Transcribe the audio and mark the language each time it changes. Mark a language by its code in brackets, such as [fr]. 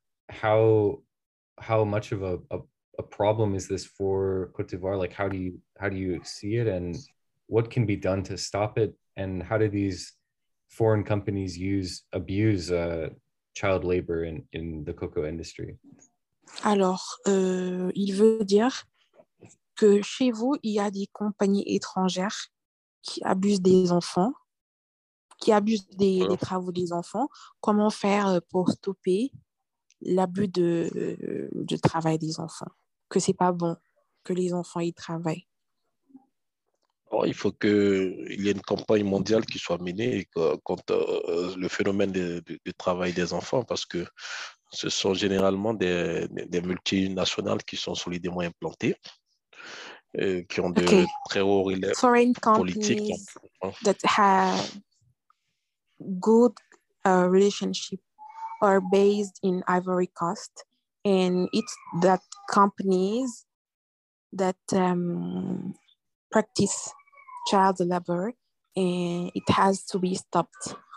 [en] How much of a problem is this for Côte d'Ivoire? Like, how do you see it, and what can be done to stop it? And how do these foreign companies abuse child labor in the cocoa industry? [fr] Alors, il veut dire que chez vous, il y a des compagnies étrangères qui abusent des enfants, qui abusent des travaux des enfants. Comment faire pour stopper l'abus de travail des enfants? Que c'est pas bon que les enfants y travaillent. Oh, il faut qu'il y ait une campagne mondiale qui soit menée contre le phénomène du travail des enfants, parce que ce sont généralement des multinationales qui sont solidement implantées, qui ont de très hauts relais [en] foreign [fr] politiques. [en] Foreign companies that have good relationship or based in Ivory Coast, and it's that companies that practice child labor, and it has to be stopped.